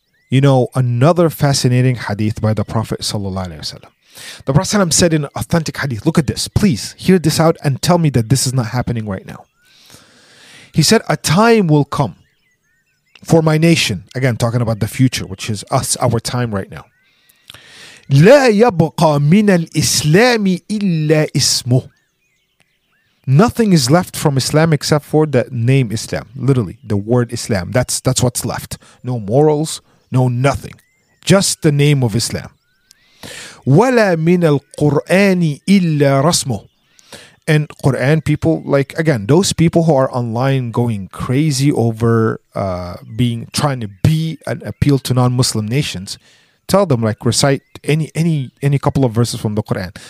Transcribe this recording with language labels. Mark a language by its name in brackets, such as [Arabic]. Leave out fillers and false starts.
[English] You know, another fascinating hadith by the Prophet sallallahu alaihi wasallam. The Prophet said in authentic hadith, look at this, please hear this out and tell me that this is not happening right now. He said, a time will come for my nation. Again, talking about the future, which is us, our time right now. [Arabic] لا يبقى من الإسلام إلا اسمه. [English] Nothing is left from Islam except for the name Islam. Literally, the word Islam. That's what's left. No morals, no nothing. Just the name of Islam. [Arabic] ولا من القرآن إلا رسمه. [English] And Quran people, like, again, those people who are online going crazy over being trying to be an appeal to non-Muslim nations, tell them, like, recite any couple of verses from the Quran.